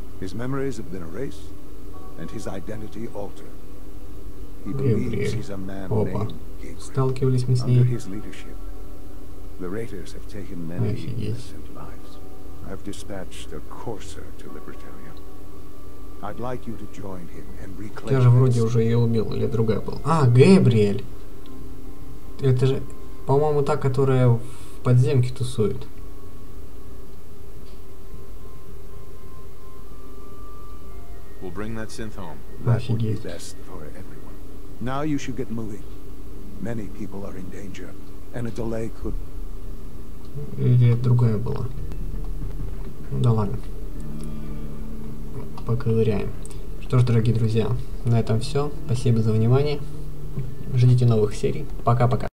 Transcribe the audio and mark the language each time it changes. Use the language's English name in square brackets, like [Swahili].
[English] His memories have been erased, and his identity altered. He believes he's a man named [Russian] Сталкивались мы с ней. [English] Under his leadership, the raiders have taken many innocent lives. I've dispatched a courser to Libertalia. I'd like you to join him and reclaim. [Russian] Я же вроде уже ее убил или другая была. А, Габриэль. Это же, по-моему, та, которая в подземке тусует. [English] We'll bring that synth home. That would be best for everyone. Now you should get moving. Many people are in danger, and a delay could. [Russian] Или другая была. Ну да ладно. поковыряем. Что ж, дорогие друзья, на этом все. Спасибо за внимание. Ждите новых серий. Пока-пока.